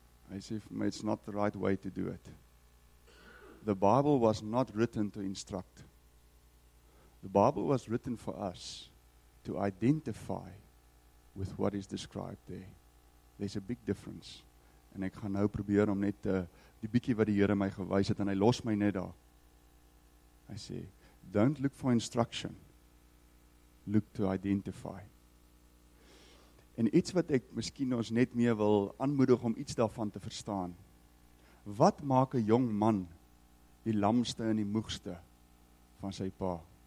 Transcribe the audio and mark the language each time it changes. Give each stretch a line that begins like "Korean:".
Afrikaans: Hy sê vir my,
English: it's not the right way to do it. The Bible was not written to instruct. The Bible was written for us to identify with what is described there. There's a big difference.
Afrikaans: En ek gaan nou probeer om net die bietjie wat die Here my gewys het, en hy los my net daar. Hy sê,
English: don't look for instruction. Look to identify.
Afrikaans: En iets wat ek miskien ons net mee wil aanmoedig om iets daarvan te verstaan. Wat maak 'n jong man die lamste en die moegste van sy pa?